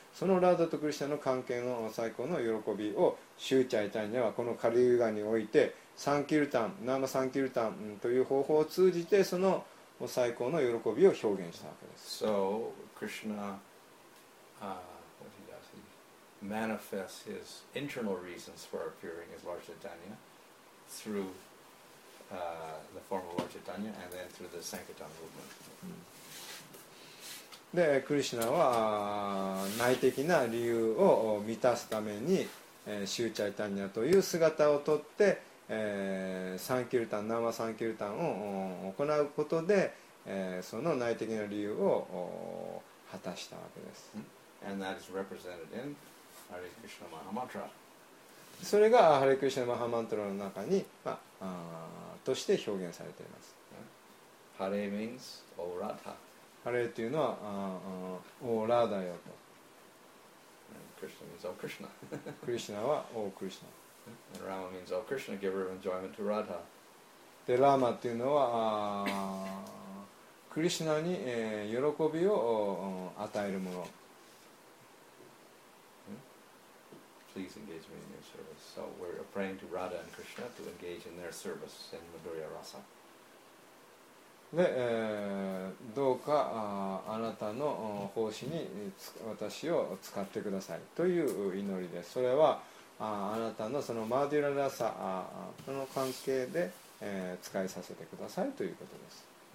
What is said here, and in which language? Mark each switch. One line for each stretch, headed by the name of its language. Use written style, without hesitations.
Japanese: そのラーダとクリシナの関係の最高の喜びをシューチャイタニアはこのカリユーガにおいてサンキルタン、ナーマサンキルタンという方法を通じてその最高の喜びを表現したわけです。
English: So Krishna what he does, he manifests his internal reasons for appearing as Lord ChaitanyaThrough the form of Lord Chaitanya and then through the Sankirtan movement.
Japanese: で、クリシナは内的な理由を満たすために、シューチャイタニアという姿をとって、サンキルタン、ナーマサンキルタンを行うことで、その内的な理由を果たしたわけです。
English: And that is represented in Hare Krishna Mahamantra.
Japanese: それがハレクリシナマハマントラの中に、まあ、として表現されています。
English: ハレ means オーラダ、
Japanese: ハレというのはオーラダよと。
English: クリシナ means オークリシナ、
Japanese: クリシナはオークリシナ。
English: ラマ means オークリシナ giver of enjoyment to ラダ、
Japanese: でラマというのはクリシナに、喜びを与えるもの。
English: Please engage me in your service. So we're praying to Radha and Krishna to engage in their service in Madhurya Rasa.
Japanese: で、どうか、あなたの奉仕に私を使ってくださいという祈りです。それは、あなたのそのマディララサの関係で、使いさせてくださいということです。